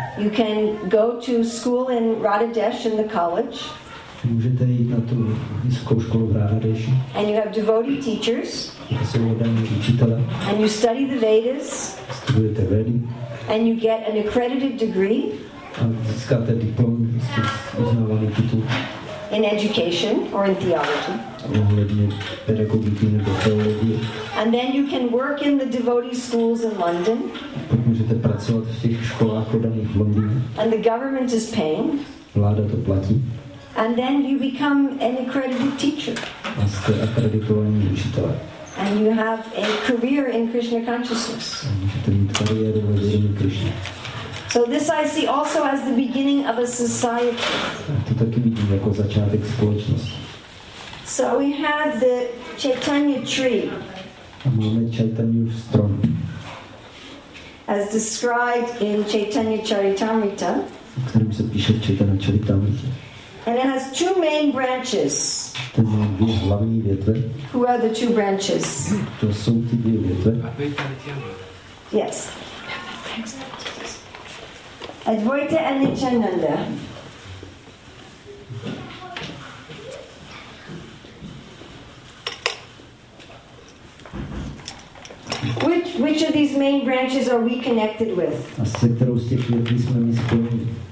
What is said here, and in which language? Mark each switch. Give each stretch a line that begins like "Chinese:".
English: You can go to school in Radadesh in the college.
Czech: Můžete jít na tu vysokou školu v Radadeshi.
English: And you have devotee teachers.
Czech: A jsou oddaní učitelé.
English: And you study the Vedas.
Czech: Studujete Vedy.
English: And you get an accredited degree.
Czech: A získáte diplom, jste uznávaný titul.
English: In education or in theology. And then you can work in the devotee schools in London. And the government is paying.
Czech: Vláda to platí.
English: And then you become an accredited teacher.
Czech: A jste akreditovaný učitel.
English: And you have a career in Krishna consciousness.
Czech: A můžete mít kariéru ve vědomí Krishna.
English: So this I see also as the beginning of a society.
Czech: To taky vidím jako začátek společnosti.
English: So we have the Chaitanya tree.
Czech: A máme Chaitanya strom.
English: As described in Chaitanya Charitamrita.
Czech: O kterém se píše v Chaitanya Charitamrita.
English: And it has two main branches.
Czech: To má dvě hlavní větve.
English: Who are the two branches?
Czech: To jsou ty dvě větve.
English: Yes. Advaita and Nityananda. Which of these main branches are we connected with?
Czech: A se kterou z těch větví jsme my spojili?